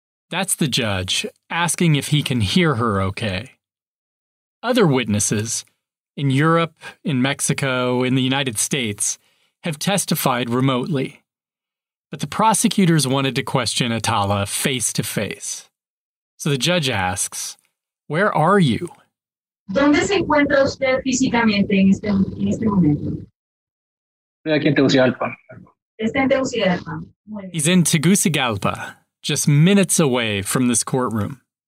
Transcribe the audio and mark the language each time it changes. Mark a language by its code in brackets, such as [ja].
[en] That's the judge asking if he can hear her okay. Other witnesses in Europe, in Mexico, in the United States have testified remotely. But the prosecutors wanted to question Atala face to face. So the judge asks, "Where are you?" [es] ¿Dónde se encuentra usted físicamente en este momento? Estoy aquí en Tegucigalpa. Está en Tegucigalpa. [en] He's in Tegucigalpa, just minutes away from this courtroom.